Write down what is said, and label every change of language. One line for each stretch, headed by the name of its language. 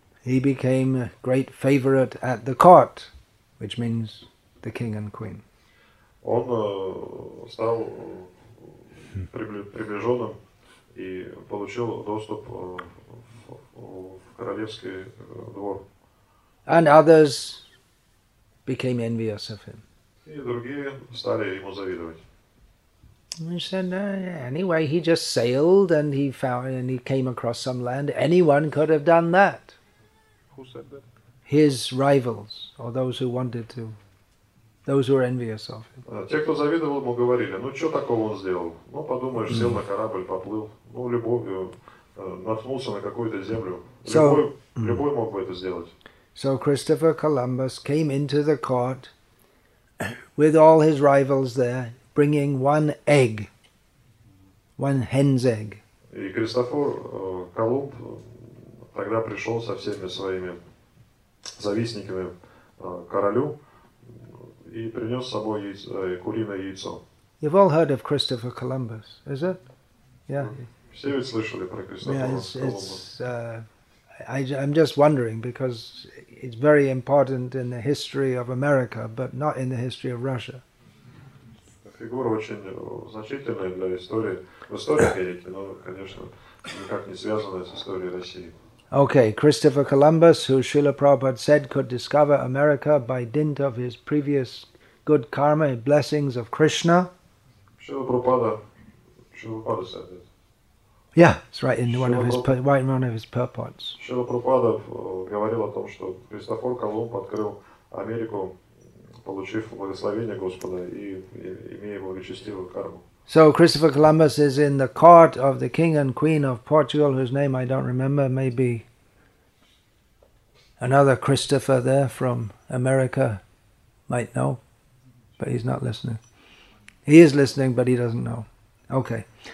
English: he became a great favorite at the court, which means the king and queen.
Russian: Он стал приближенным и получил доступ в королевский двор.
English: And others became envious of him.
Russian: И другие стали ему завидовать.
English: He said, anyway, he just sailed and he found and he came across some land. Anyone could have done that. Who said that? His rivals, or those who wanted to, those who were envious of him.
Russian: Те, кто завидовал ему, говорили: ну что такого он сделал? Ну подумаешь, сел на корабль, поплыл, ну любовью наткнулся на какую-то землю. Любой мог бы это сделать.
English: So Christopher Columbus came into the court with all his rivals there, bringing one egg, one hen's egg.
Russian: И Кристофор Колумб тогда пришел со всеми своими завистниками королю и принес с собой куриное яйцо.
English: You've all heard of Christopher Columbus, is it? Yeah.
Russian: Все ведь слышали про Кристофора Колумба.
English: I'm just wondering because it's very important in the history of America, but not in the history of Russia.
Russian: Фигура очень значительная для истории, в истории Америки, но, конечно, никак не связанная с историей России.
English: Okay, Christopher Columbus, who Srila Prabhupada said could discover America by dint of his previous good karma and blessings of Krishna. Srila Prabhupada said it. Yeah, it's right in one of his purports.
Russian: Шрила Прабхупада говорил о том, что Кристофор Колумб открыл Америку, получив благословение Господа и имея благочестивую карму.
English: So Christopher Columbus is in the court of the king and queen of Portugal, whose name I don't remember. Maybe another Christopher there from America might know, but he's not listening. He is listening, but he doesn't know. Okay.